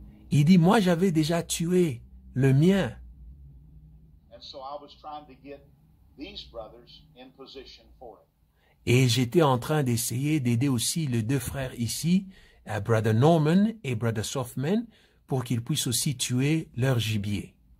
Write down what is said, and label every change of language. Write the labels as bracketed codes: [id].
[fr] Il dit, moi j'avais déjà tué le mien. [en] And so I was trying to get these brothers in position for it. [fr] Et j'étais en train d'essayer d'aider aussi les deux frères ici, Brother Norman et Brother Softman, pour qu'ils puissent aussi tuer leur gibier.